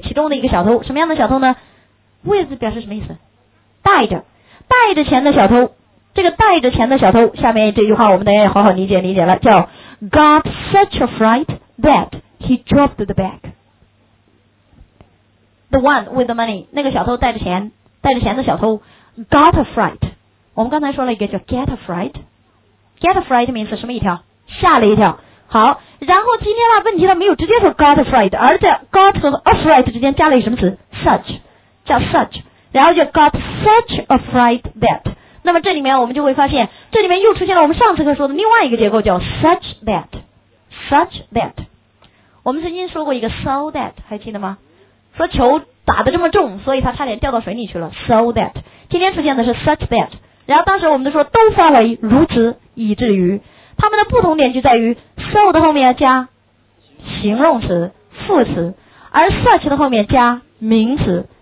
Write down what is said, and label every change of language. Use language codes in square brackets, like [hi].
[zh] 其中的一个小偷，什么样的小偷呢？With 表示什么意思？带着，带着钱的小偷。这个带着钱的小偷，下面这句话我们等一下好好理解理解了，叫 [en] got such a fright that he dropped the bag。 The one with the money， [zh] 那个小偷带着钱，带着钱的小偷 [en] got a fright。 [zh] 我们刚才说了一个叫 [en] get a frightget a fright means [zh] 什么一条？吓了一跳。好，然后今天的问题他没有直接说 got a fright， 而在 got 和 a fright 之间加了一个什么词？ such， 叫 such， 然后就 [en] got such a fright that。 [zh] 那么这里面我们就会发现，这里面又出现了我们上次课说的另外一个结构，叫 such that， such that。我们曾经说过一个 so that， 还记得吗？说球打得这么重，所以他差点掉到水里去了， so that。今天出现的是 such that，然后当时我们都说都发为如此以至于，他们的不同点就在于 so 的后面加形容词副词，而 such 的后面加名词。